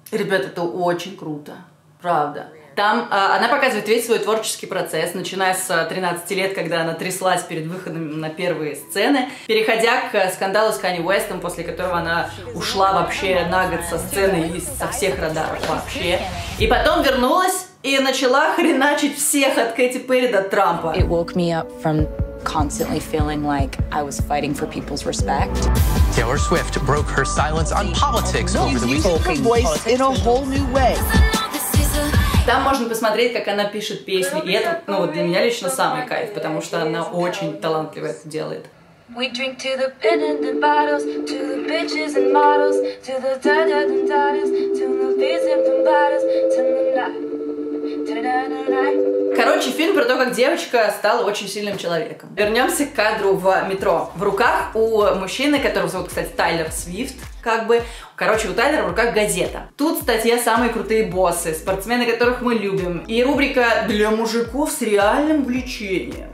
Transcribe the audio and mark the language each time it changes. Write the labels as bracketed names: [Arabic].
[Russian] Ребята, это очень круто. Правда. Там она показывает весь свой творческий процесс, начиная с 13 лет, когда она тряслась перед выходом на первые сцены, переходя к скандалу с Канье Уэстом, после которого она ушла вообще на год со сцены и со всех радаров вообще. И потом вернулась... И начала хреначить всех от Кэти Перри до Трампа. [English] It woke me up from constantly feeling like I was fighting for people's respect. Taylor Swift broke her silence on politics over the weekend. Voice in a whole new way. [Russian] Там можно посмотреть, как она пишет песни, и это, ну, вот для меня лично самый кайф, потому что она очень талантливо это делает. [English] We drink to the pin and the bottles, to the bitches and models, to the da-da-da-da-da's, to the bees and the bottles, to the night. [Russian] Короче, фильм про то, как девочка стала очень сильным человеком. Вернемся к кадру в метро. В руках у мужчины, которого зовут, кстати, Тайлер Свифт, как бы. Короче, у Тайлера в руках газета. Тут статья «Самые крутые боссы», спортсмены, которых мы любим. И рубрика «Для мужиков с реальным влечением».